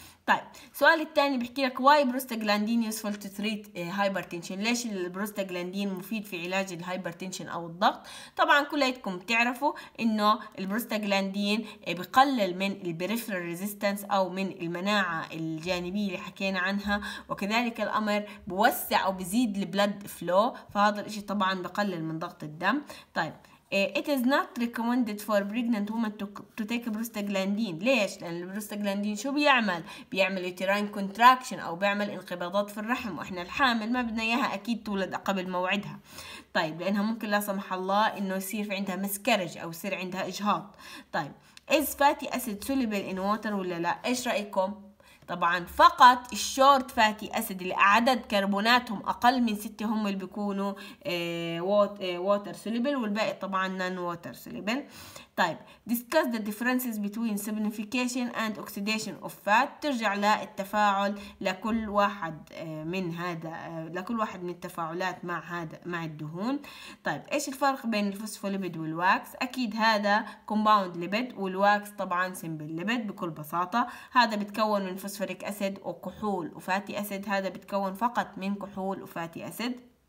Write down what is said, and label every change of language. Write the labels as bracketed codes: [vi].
[ar] طيب السؤال الثاني بحكي لك [en] Why prostaglandin useful to treat hypertension? [ar] ليش البروستاجلاندين مفيد في علاج الهايبرتنشن او الضغط؟ طبعا كلكم بتعرفوا انه البروستاجلاندين بقلل من البريفرال ريزيستنس او من المناعه الجانبيه اللي حكينا عنها، وكذلك الامر بوسع او بزيد البلد فلو، فهذا الشيء طبعا بقلل من ضغط الدم. [en] طيب It is not recommended for pregnant women to take prostaglandin. [ar] ليش؟ لأن البروستاجلاندين شو بيعمل؟ بيعمل uterine contraction أو بيعمل انقباضات في الرحم، وإحنا الحامل ما بدنا إياها أكيد تولد قبل موعدها. طيب لأنها ممكن لا سمح الله إنه يصير في عندها مسكرج أو يصير عندها إجهاض. طيب [en] Is fatty acid soluble in water [ar] ولا لا؟ إيش رأيكم؟ طبعا فقط الشورت فاتي اسيد اللي عدد كربوناتهم اقل من 6 هم اللي بيكونوا ووتر سوليبل، والباقي طبعا نان ووتر سوليبل. [en] طيب discuss the differences between simplification and oxidation of fat. [ar] ترجع للتفاعل لكل واحد من هذا لكل واحد من التفاعلات مع هذا مع الدهون. طيب ايش الفرق بين الفوسفوليبيد والواكس؟ اكيد هذا كومباوند ليبيد، والواكس طبعا سمبل ليبيد. بكل بساطه هذا بتكون من فوسفوريك اسيد وكحول وفاتي اسيد، هذا بتكون فقط من كحول وفاتي اسيد.